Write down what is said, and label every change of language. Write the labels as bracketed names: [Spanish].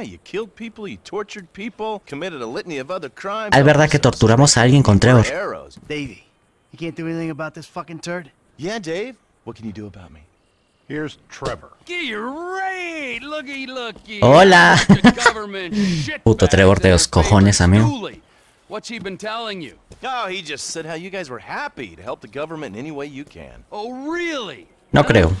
[English] You killed people, you tortured people, committed a litany of other crimes. [Spanish] Es verdad que torturamos a alguien con Trevor. [English] Davey, you can't do anything about this fucking turd. Yeah, Dave. What can you do about me? Here's Trevor. Get your raid, looky, looky. [Spanish] Hola. Puto Trevor de los cojones, amigo. [English] What's he been telling you? Oh, he just said how you guys were happy to help the government in any way you can. Oh, really? [Spanish] No creo.